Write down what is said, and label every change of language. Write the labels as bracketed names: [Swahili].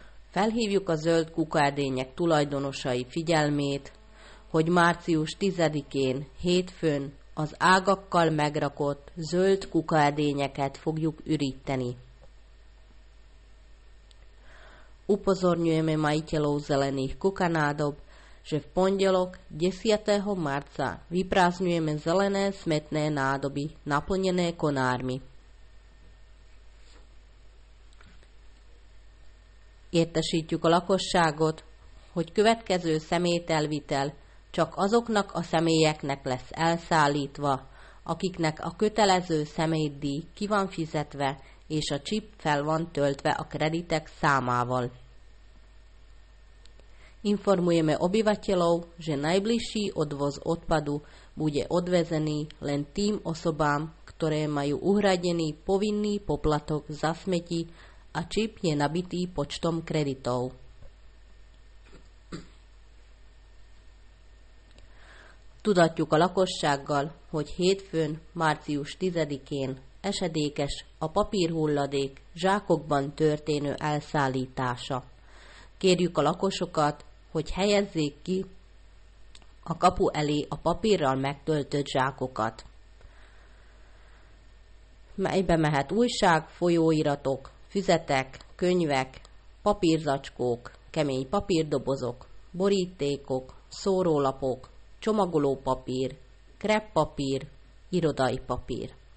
[Hungarian] Felhívjuk a zöld kukaedények tulajdonosai figyelmét, hogy március 10-én, hétfőn, az ágakkal megrakott zöld kukaedényeket fogjuk üríteni. [Slovak] Upozorňujeme majiteľov zelených kukanádob, že v pondelok 10. marca vyprázdňujeme zelené smetné nádoby naplnené konármi. [Hungarian] Értesítjük a lakosságot, hogy következő szemételvitel csak azoknak a személyeknek lesz elszállítva, akiknek a kötelező személydíj ki van fizetve és a csip fel van töltve a kreditek számával. [Slovak] Informujeme obyvateľov, že najbližší odvoz odpadu bude odvezený len tým osobám, ktoré majú uhradený povinný poplatok za smeti a čip je nabitý počtom kreditov. [Hungarian] Tudatjuk a lakossággal, hogy hétfőn, március 10-én esedékes a papírhulladék zsákokban történő elszállítása. Kérjük a lakosokat, hogy helyezzék ki a kapu elé a papírral megtöltött zsákokat, melybe mehet újság, folyóiratok, füzetek, könyvek, papírzacskók, kemény papírdobozok, borítékok, szórólapok, csomagoló papír, kreppapír, irodai papír.